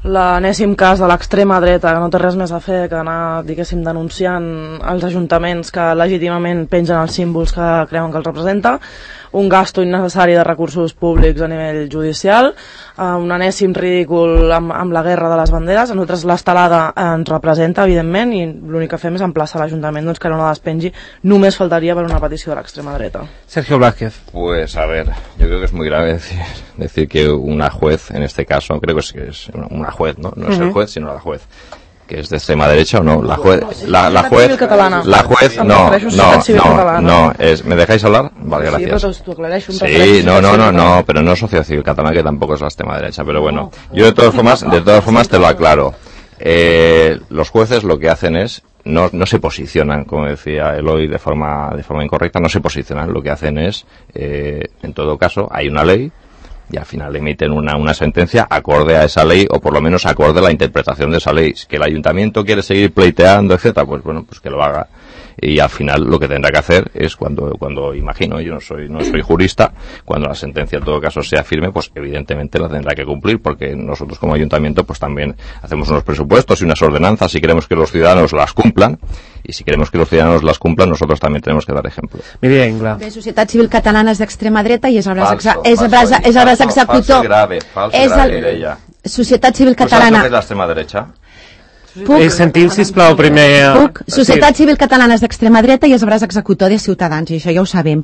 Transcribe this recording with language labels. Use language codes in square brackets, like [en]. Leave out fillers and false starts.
[ca] L'anèssim cas de l'extrema dreta, que no té res més a fer que anar, diguéssim, denunciant els ajuntaments que legítimament pengen els símbols que creuen que els representa, un gasto innecessari de recursos públics a nivell judicial, un anèssim ridícul amb la guerra de les banderes. A nosaltres l'Estelada ens representa, evidentment, i l'únic que fem és emplaçar l'Ajuntament doncs, que no la despengi. Només faltaria per una petició de l'extrema dreta. Sergio Blázquez. [es] Pues a ver, yo creo que es muy grave decir que una juez, en este caso, creo que es una juez, ¿no? No es el juez, sino la juez. Que es de extrema derecha o no, la juez, la juez, la juez, no, es, ¿me dejáis hablar? Vale, gracias. Sí, pero tú aclaras un no, pero no es socio civil catalana, que tampoco es la extrema derecha, pero bueno, yo de todas formas te lo aclaro, los jueces lo que hacen es, no se posicionan, como decía Eloy, de forma incorrecta, no se posicionan, lo que hacen es, en todo caso, hay una ley, y al final emiten una sentencia acorde a esa ley, o por lo menos acorde a la interpretación de esa ley. Que el ayuntamiento quiere seguir pleiteando, etcétera, pues bueno, pues que lo haga. Y al final lo que tendrá que hacer es cuando imagino, yo no soy jurista, cuando la sentencia en todo caso sea firme, pues evidentemente la tendrá que cumplir, porque nosotros como ayuntamiento pues también hacemos unos presupuestos y unas ordenanzas y queremos que los ciudadanos las cumplan, y si queremos que los ciudadanos las cumplan, nosotros también tenemos que dar ejemplo. Miriam Engla. [ca] La societat civil catalana és d'extrema dreta i és el braç executor. [es] Falso grave, Mireia. [ca] Societat civil catalana. És l'extrema dreta. Sentiu, sisplau, primer... Puc? Societat Civil Catalana és d'extrema dreta i és braç executor de Ciutadans, i això ja ho sabem.